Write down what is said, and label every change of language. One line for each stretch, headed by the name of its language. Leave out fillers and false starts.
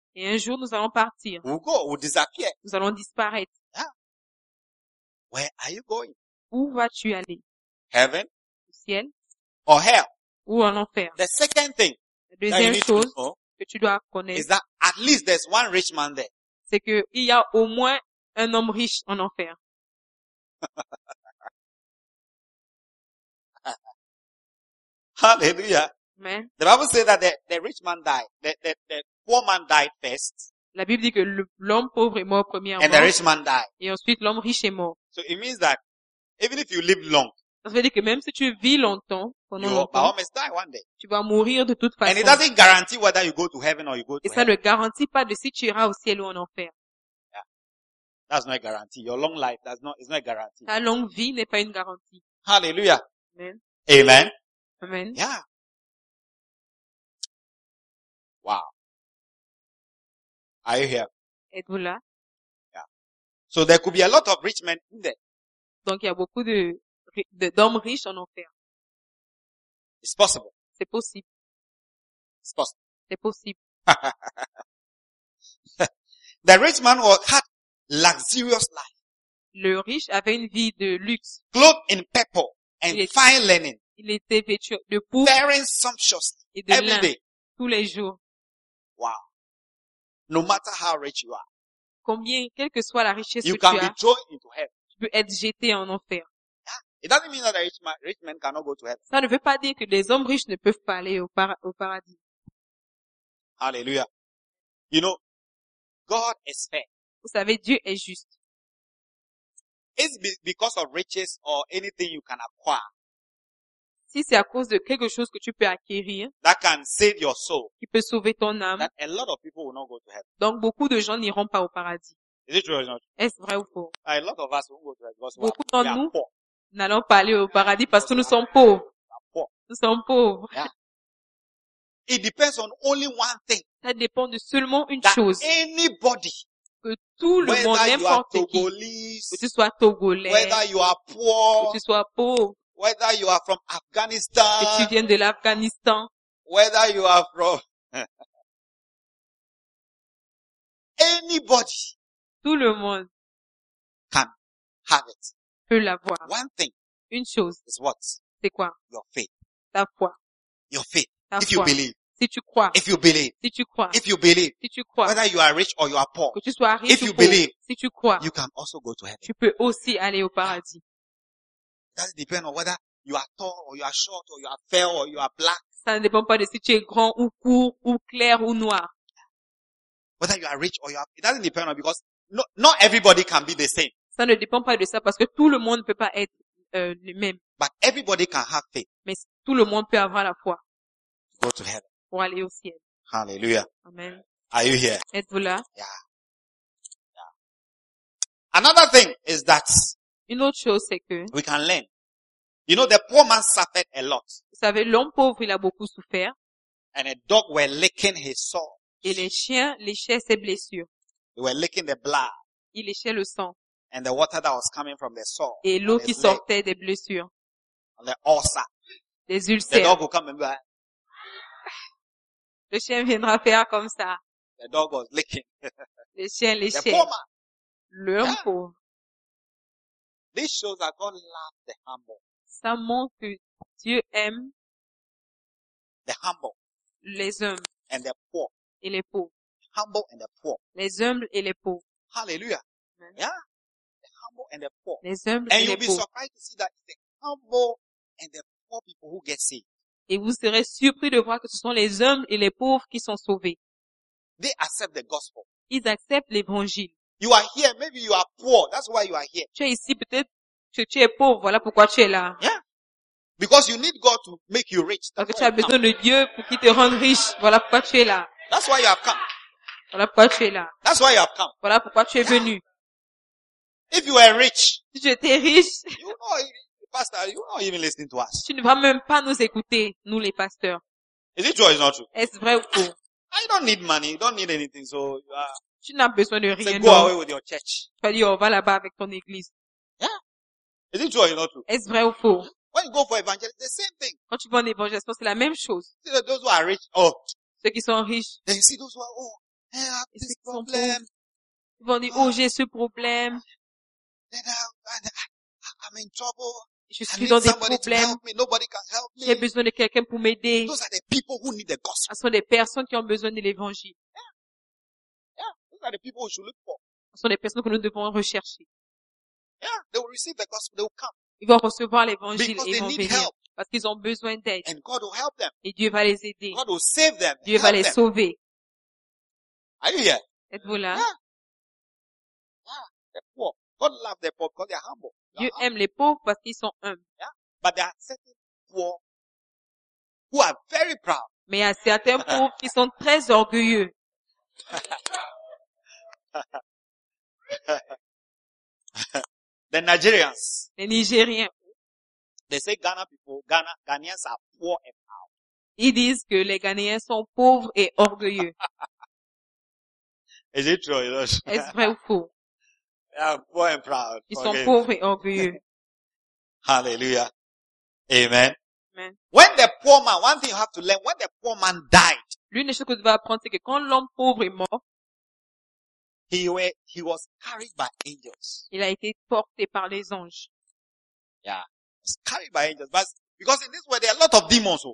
French: Et un jour nous allons partir.
English: We'll go, we'll disappear.
French: Nous allons disparaître.
English: Yeah. Where are you going?
French: Où vas-tu aller?
English: Heaven?
French: Le ciel?
English: Or hell?
French: Ou en enfer?
English: The second thing.
French: La deuxième chose que tu dois connaître.
English: Is that at least there's one rich man there.
French: C'est que il y a au moins un homme riche en enfer.
English: Hallelujah. Man. The Bible says that the rich man died. The poor man died first.
French: La Bible dit que l'homme pauvre est mort premièrement.
English: And the rich man died.
French: Et ensuite l'homme riche est mort.
English: So it means that even if you live long.
French: Ça veut dire que même si tu vis longtemps, pendant longtemps,
English: die one day.
French: Tu vas mourir de toute façon.
English: And it doesn't guarantee whether you go to heaven or you go to hell.
French: Et ça ne garantit pas de si tu iras au ciel ou en enfer.
English: Yeah. That's not a guarantee. Your long life is not a guarantee.
French: Ta longue vie n'est pas une garantie.
English: Hallelujah. Amen. Amen. Amen. Yeah. Wow. Are you here?
French: Êtes-vous là?
English: Yeah. So there could be a lot of rich men in there.
French: Donc il y a beaucoup d'hommes riches en enfer.
English: It's possible.
French: C'est possible.
English: It's possible.
French: C'est possible.
English: The rich man had luxurious life.
French: Le riche avait une vie de luxe.
English: Clothed in purple and fine linen.
French: Il était vêtu de pourpre.
English: Wearing sumptuously
French: et de
English: every
French: lin,
English: day.
French: Tous les jours.
English: Wow. No matter how rich you are.
French: Combien, quelle que soit la richesse
English: you
French: que tu as.
English: You can be thrown into hell.
French: Tu peux être jeté en enfer.
English: Yeah. It doesn't mean that a rich man cannot go to heaven.
French: Ça ne veut pas dire que des hommes riches ne peuvent pas aller au paradis.
English: Alléluia. You know, God is fair.
French: Vous savez, Dieu est juste.
English: It's because of riches or anything you can acquire.
French: Si c'est à cause de quelque chose que tu peux acquérir,
English: that can save your soul,
French: qui peut sauver ton âme,
English: that a lot of people will not go to heaven.
French: Donc beaucoup de gens n'iront pas au paradis.
English: Is it true or not?
French: Est-ce vrai ou faux?
English: A lot of us won't go to heaven because
French: beaucoup
English: we are,
French: d'entre nous
English: we are poor.
French: N'allons pas aller au paradis
English: because
French: parce que nous sommes pauvres. Nous sommes pauvres.
English: Yeah. It depends on only one thing.
French: Ça dépend de seulement une
English: that
French: chose.
English: Anybody,
French: que tout le monde, n'importe qui, que tu sois Togolais,
English: whether you are poor,
French: que tu sois pauvre,
English: whether you are from Afghanistan,
French: que tu viens de l'Afghanistan,
English: whether you are from anybody,
French: tout le monde
English: can have it,
French: peut l'avoir.
English: One thing,
French: une chose,
English: is what?
French: C'est quoi?
English: Your faith,
French: ta foi.
English: Your faith,
French: ta
English: if
French: foi.
English: You believe.
French: Si tu crois.
English: If you believe.
French: Si tu crois.
English: If you believe.
French: Si tu crois.
English: Whether you are rich or you are poor.
French: Que tu sois riche
English: if
French: ou
English: you
French: pauvre,
English: believe.
French: Si tu crois.
English: You can also go to heaven.
French: Tu peux aussi aller au paradis.
English: That depends on whether you are tall or you are short or you are fair or you are black.
French: Ça ne dépend pas de si tu es grand ou court ou clair ou noir.
English: Whether you are rich or you are, it doesn't depend on because not everybody can be the same.
French: Ça ne dépend pas de ça parce que tout le monde ne peut pas être le même.
English: But everybody can have faith.
French: Mais tout le monde peut avoir la foi.
English: Go to heaven.
French: Pour aller au ciel.
English: Hallelujah. Amen. Are you here?
French: Êtes-vous là?
English: Yeah. Yeah. Another thing is that.
French: Une autre chose c'est que.
English: We can learn. You know, the poor man suffered a lot.
French: Vous savez, l'homme pauvre il a beaucoup souffert.
English: And a dog were licking his sores.
French: Et les chiens léchaient ses blessures.
English: They were licking the blood.
French: Il léchait le sang.
English: And the water that was coming from the sore.
French: Et l'eau qui sortait des blessures.
English: On the ulcer.
French: Des ulcères.
English: The dog will come and
French: le chien viendra faire comme ça.
English: The dog was licking.
French: Les chiens, les
English: the
French: chiens. Le
English: yeah.
French: pauvre.
English: This shows that God loves the humble.
French: Ça montre que Dieu aime
English: the humble.
French: Les humbles.
English: And the poor.
French: Et les pauvres.
English: Humble and the poor.
French: Les humbles et les pauvres.
English: Hallelujah. Mm-hmm. Yeah. The humble and the poor.
French: Les humbles
English: and
French: et les pauvres.
English: And you'll be surprised to see that it's the humble and the poor people who get saved.
French: Et vous serez surpris de voir que ce sont les humbles et les pauvres qui sont sauvés.
English: They accept the gospel.
French: Ils acceptent l'évangile.
English: You are here, maybe you are poor. That's why you are here.
French: Tu es ici, peut-être que tu es pauvre. Voilà pourquoi tu es là.
English: Yeah. Because you need God to make you rich.
French: Parce que tu as besoin de Dieu pour qu'il te rende riche. Voilà pourquoi tu es là.
English: That's why you have come.
French: Voilà pourquoi tu es là.
English: That's why you have come.
French: Voilà pourquoi tu es venu.
English: If you were rich,
French: si tu étais riche,
English: you know, Pastor, you are not even listening to us.
French: Tu ne vas même pas nous écouter, nous les pasteurs.
English: Is it true or is it not true?
French: Est-ce vrai ou faux?
English: I don't need money. You don't need anything. So you are.
French: Tu n'as besoin de rien.
English: Say, go
French: non.
English: away with your church.
French: Tu vas dire, va là-bas avec ton église.
English: Yeah. Is it true or is it not true?
French: Est-ce vrai ou faux?
English: When you go for evangelism, the same thing.
French: Quand tu vas en évangélisme, c'est la même chose.
English: See that those who are rich. Oh.
French: Ceux qui sont riches.
English: They see those who are oh, I have this problem.
French: Ils vont dire, oh, j'ai ce problème.
English: Then I'm in trouble.
French: Je suis dans des problèmes. J'ai besoin de quelqu'un pour m'aider.
English: Those are the people who need the gospel.
French: Ce sont des personnes qui ont besoin de l'évangile.
English: Yeah. Yeah. Those are the people who should look for.
French: Ce sont des personnes que nous devons rechercher.
English: Yeah. They will receive the gospel. They will come.
French: Ils vont recevoir l'évangile
English: because
French: et vont venir. Parce qu'ils ont besoin d'aide.
English: And God will help them.
French: Et Dieu va les aider.
English: God will save them.
French: Dieu
English: help
French: va les
English: them.
French: Sauver.
English: Are you here?
French: Êtes-vous là?
English: Yeah. They're poor. God loves the poor because they're humble.
French: Dieu aime les pauvres parce qu'ils sont humbles.
English: Yeah, but there are certain poor who are very proud.
French: Mais il y a certains pauvres qui sont très orgueilleux.
English: The Nigerians.
French: Les Nigériens.
English: They say Ghana people, Ghanaians are poor and proud.
French: Ils disent que les Ghanéens sont pauvres et orgueilleux.
English: Is it true?
French: Est-ce vrai ou faux?
English: Yeah, poor and proud.
French: Ils sont pauvres et orgueilleux.
English: Hallelujah. Amen. Amen. When the poor man, one thing you have to learn, when the poor man died,
French: l'une des choses que tu vas apprendre, c'est que quand l'homme pauvre est mort,
English: he was carried by angels.
French: Il a été porté par les anges.
English: Yeah. He was carried by angels. But because in this world, there are a lot of demons.